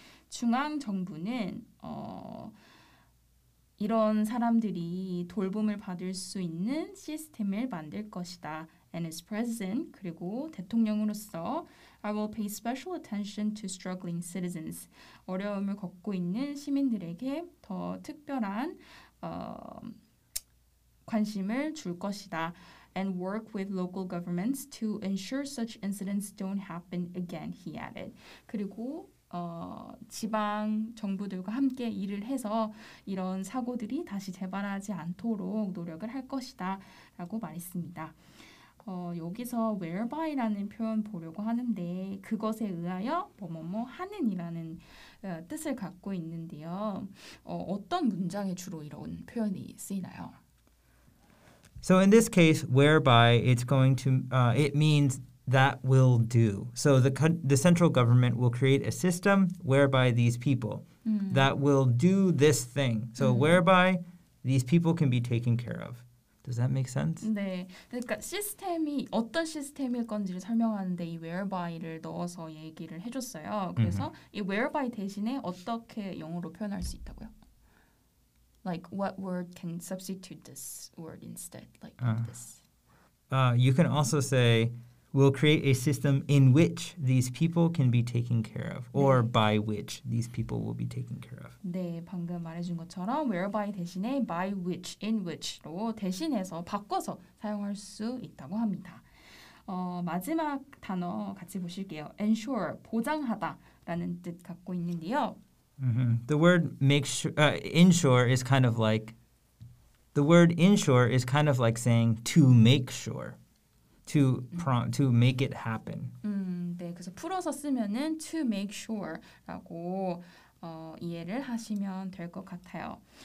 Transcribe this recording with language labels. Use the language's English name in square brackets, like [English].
[Korean] 중앙 정부는 이런 사람들이 돌봄을 받을 수 있는 시스템을 만들 것이다. [English] And as president, [Korean] 그리고 대통령으로서 [English] I will pay special attention to struggling citizens. [Korean] 어려움을 겪고 있는 시민들에게 더 특별한 관심을 줄 것이다. [English] And work with local governments to ensure such incidents don't happen again, he added. [Korean] 그리고 지방 정부들과 함께 일을 해서 이런 사고들이 다시 재발하지 않도록 노력을 할 것이다 라고 말했습니다. 여기서 whereby라는 표현 보려고 하는데 그것에 의하여 뭐뭐뭐 하는이라는 뜻을 갖고 있는데요. 어떤 문장에 주로 이런 표현이 쓰이나요? [English] So in this case, whereby it's going to, it means that will do. So the central government will create a system whereby these people that will do this thing. So whereby these people can be taken care of. Does that make sense? [Korean] 네. 그러니까 시스템이 어떤 시스템일 건지를 설명하는데 이 whereby를 넣어서 얘기를 해줬어요. 그래서 이 whereby 대신에 어떻게 영어로 표현할 수 있다고요? [English] Like what word can substitute this word instead? Like this. You can also say we'll create a system in which these people can be taken care of, or 네. by which these people will be taken care of. [Korean] 네, 방금 말해준 것처럼 whereby 대신에 by which, in which로 대신해서 바꿔서 사용할 수 있다고 합니다. 마지막 단어 같이 보실게요. Ensure, 보장하다라는 뜻 갖고 있는데요. [English] The word make sure, ensure is kind of like, the word ensure is kind of like saying to make sure. To make it happen. [Korean] 네, 그래서 풀어서 쓰면은 to make sure라고 이해를 하시면 될 것 같아요.